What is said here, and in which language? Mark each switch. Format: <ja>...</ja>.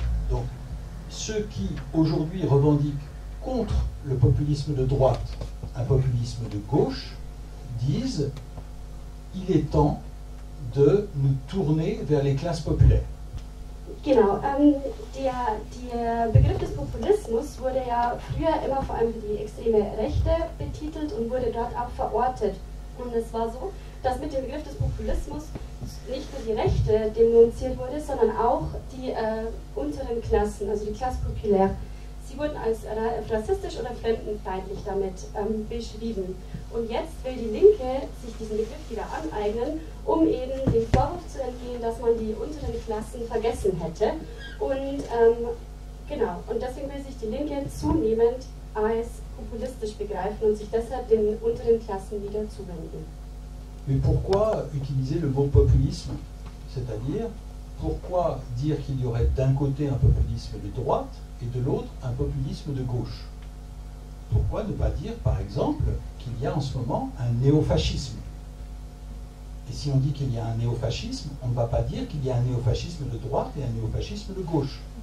<fr>Donc, ceux qui, aujourd'hui, revendiquent contre le populisme de droite, un populisme de gauche, disent « il est temps de nous tourner vers les classes populaires ».</fr> <de>Genau, der Begriff des Populismus wurde ja früher immer vor allem für die extreme Rechte betitelt und wurde dort auch verortet. Und es war so, dass mit dem Begriff des Populismus nicht nur die Rechte denunziert wurde, sondern auch die unteren Klassen, also die Classe Populaire. Sie wurden als rassistisch oder fremdenfeindlich damit beschrieben. Und jetzt will die Linke sich diesen Begriff wieder aneignen, um eben dem Vorwurf zu entgehen, dass man die unteren Klassen vergessen hätte. Und genau, und deswegen will sich die Linke zunehmend als populistisch begreifen und sich deshalb den unteren Klassen wieder zuwenden.</de> <fr>Mais pourquoi utiliser le mot populisme? C'est-à-dire, pourquoi dire qu'il y aurait d'un côté un populisme de droite et de l'autre un populisme de gauche? Pourquoi ne pas dire, par exemple, qu'il y a en ce moment un néofascisme? Et si on dit qu'il y a un néofascisme, on ne va pas dire qu'il y a un néofascisme de droite et un néofascisme de gauche.</fr>